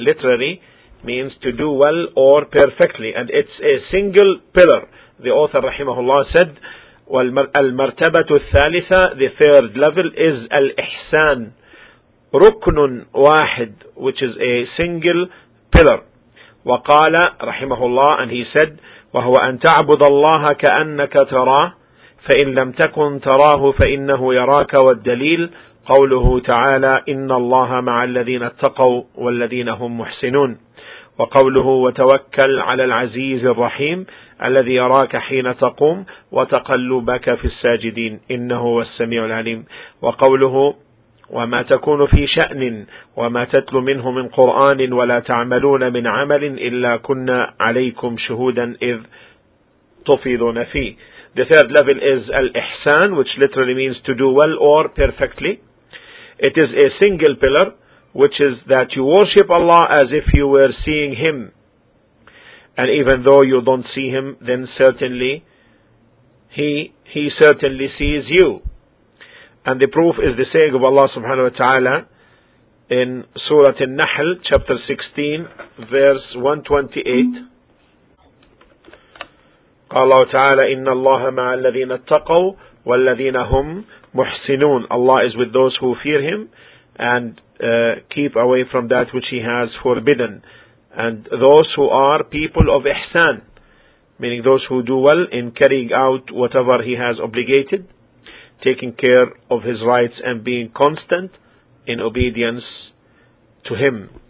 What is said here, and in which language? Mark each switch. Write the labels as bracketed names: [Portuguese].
[English] Literally means to do well or perfectly, and it's a single pillar. The author rahimahullah said, [Arabic] "Al-martabatu al-thalitha, [English] the third level is al-ihsan, [Arabic] ruknun wahid, [English] which is a single pillar." [Arabic] وقال رحمه الله, [English] and he said, [Arabic] وهو أن تعبد الله كأنك تراه فإن لم تكن تراه فإنه يراك والدليل قوله تعالى إن الله مع الذين اتقوا والذين هم محسنون وقوله وتوكل على العزيز الرحيم الذي يراك حين تقوم وتقلبك في الساجدين إنه هو السميع العليم وقوله وما تكون في شأن وما تتلو منه من قرآن ولا تعملون من عمل إلا كنا عليكم شهودا إذ تفيضون فيه. [English] The third level is al-ihsan, which literally means to do well or perfectly. It is a single pillar, which is that you worship Allah as if you were seeing Him. And even though you don't see Him, then certainly He certainly sees you. And the proof is the saying of Allah subhanahu wa ta'ala in Surah An-Nahl, chapter 16, verse 128. [Arabic] قال الله تعالى إن الله مع الذين اتقوا والذين هم محسنون. [English] Allah is with those who fear Him and keep away from that which He has forbidden. And those who are people of ihsan, meaning those who do well in carrying out whatever He has obligated, taking care of His rights and being constant in obedience to Him.